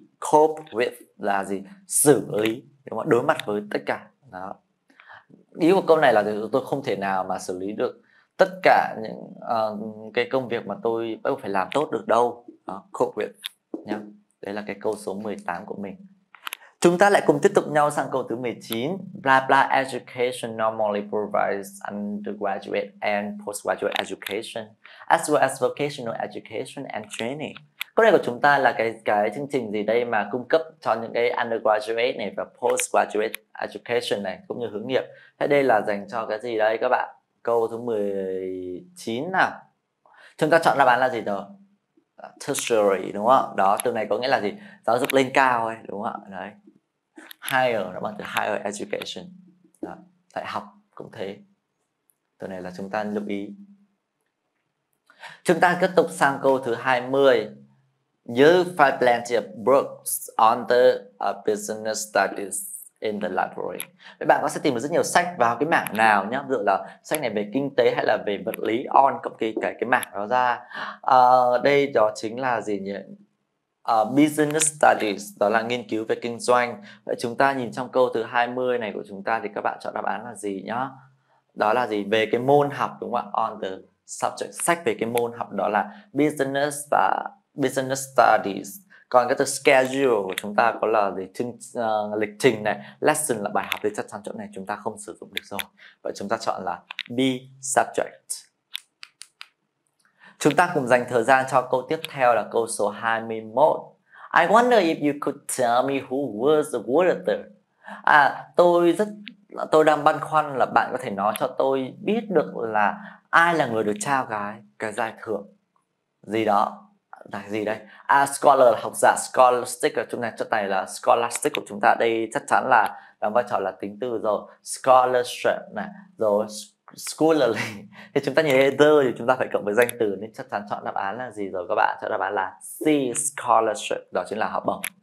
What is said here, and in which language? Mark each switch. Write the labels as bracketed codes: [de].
[en] Cope with [vi] là gì? Xử lý, đúng không? Đối mặt với tất cả. Đó. Ý của câu này là tôi không thể nào mà xử lý được tất cả những cái công việc mà tôi bắt buộc phải làm tốt được đâu. Đó, [en] cope with. [vi] Nhá. Đấy là cái câu số 18 của mình. Chúng ta lại cùng tiếp tục nhau sang câu thứ 19. [en] Blah blah education normally provides undergraduate and postgraduate education, as well as vocational education and training. [vi] Câu này của chúng ta là cái chương trình gì đây mà cung cấp cho những cái undergraduate này và postgraduate education này cũng như hướng nghiệp. Thế đây là dành cho cái gì đây các bạn? Câu thứ 19 nào. Chúng ta chọn đáp án là gì rồi? Tertiary đúng không? Đó, từ này có nghĩa là gì? Giáo dục lên cao ấy, đúng không ạ? Đấy. Higher nó bằng từ higher education. Đó. Đại học cũng thế. Từ này là chúng ta lưu ý. Chúng ta tiếp tục sang câu thứ 20. [en] You find plenty of books on the business studies in the library. [vi] Bạn có sẽ tìm được rất nhiều sách vào cái mảng nào nhá, ví dụ là sách này về kinh tế hay là về vật lý on cộng cái mảng đó ra. Đây đó chính là gì nhỉ? Business studies đó là nghiên cứu về kinh doanh. Vậy chúng ta nhìn trong câu thứ 20 này của chúng ta thì các bạn chọn đáp án là gì nhá? Đó là gì? Về cái môn học đúng không ạ? [en] On the subject, [vi] sách về cái môn học đó là business studies. Còn cái từ schedule của chúng ta có là gì? Lịch trình này, lesson là bài học thì chắc chắn chỗ này chúng ta không sử dụng được rồi. Vậy chúng ta chọn là B subject. Chúng ta cùng dành thời gian cho câu tiếp theo là câu số 21. [en] I wonder if you could tell me who was the water. [vi] Tôi đang băn khoăn là bạn có thể nói cho tôi biết được là ai là người được trao cái giải thưởng gì đó. Là gì đây? Scholar là học giả, scholastic ở chúng ta chỗ này là scholastic của chúng ta đây chắc chắn là đóng vai trò là tính từ rồi, scholarship này rồi scholarly thì chúng ta nhìn thấy the thì chúng ta phải cộng với danh từ nên chắc chắn chọn đáp án là gì rồi các bạn, chọn đáp án là C scholarship đó chính là học bổng.